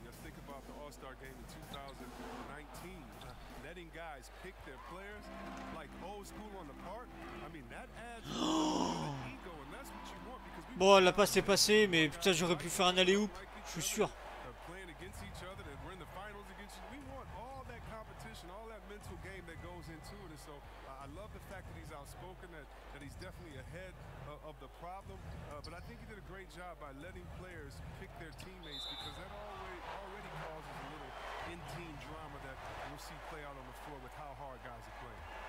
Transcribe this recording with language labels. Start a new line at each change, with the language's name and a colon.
English: Just think about the All-Star game in 2019. Letting guys pick their players like old school on the park. I mean, that adds to the ego, and that's what you want.
French: Bon, la passe est passée, mais putain, j'aurais pu faire un aller-hoop. Je suis sûr.
English: Playing against each other, that we're in the finals against you. We want all that competition, all that mental game that goes into it. And so I love the fact that he's outspoken, that he's definitely ahead of the problem. But I think he did a great job by letting players pick their teammates, because that already causes a little in-team drama that we'll see play out on the floor with how hard guys are playing.